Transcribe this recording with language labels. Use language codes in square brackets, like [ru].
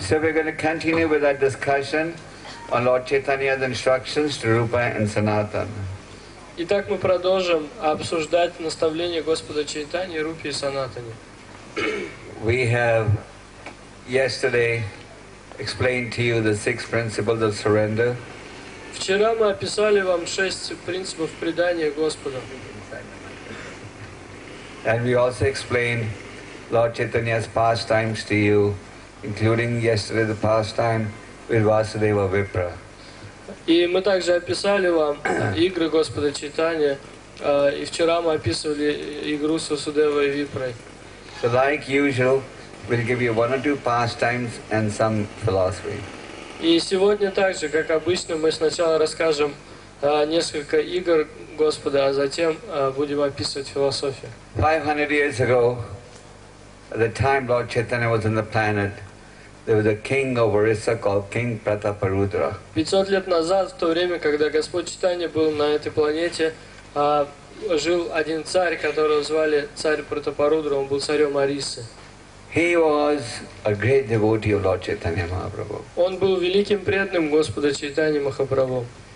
[en] So we're going to continue with that discussion on Lord Chaitanya's instructions to Rupa and Sanatana. [ru] Итак, мы продолжим обсуждать наставления Господа Чайтаньи, Рупи и Санатани. [en] We have yesterday explained to you the six principles of surrender. [ru] Вчера мы описали вам шесть принципов предания Господа. [en] And we also explained Lord Chaitanya's pastimes to you, including yesterday the pastime with Vasudeva Vipra. [ru] И мы также описали вам игры Господа Чайтаньи, и вчера мы описывали игру с Васудевой Випрой. [en] So like usual, we'll give you one or two pastimes and some philosophy. [ru] И сегодня также, как обычно, мы сначала расскажем несколько игр Господа, а затем будем описывать философию. [en] 500 years ago, at the time Lord Chaitanya was on the planet, there was a king of Orissa called King Prataparudra. [ru] 500 лет назад, в то время, когда Господь Чайтанья был на этой планете, жил один царь, которого звали царь Пратапарудра, он был царем Ориссы. [en] He was a great devotee of Lord Chaitanya Mahaprabhu. [ru] Он был великим преданным Господа Чайтаньи Махапрабху.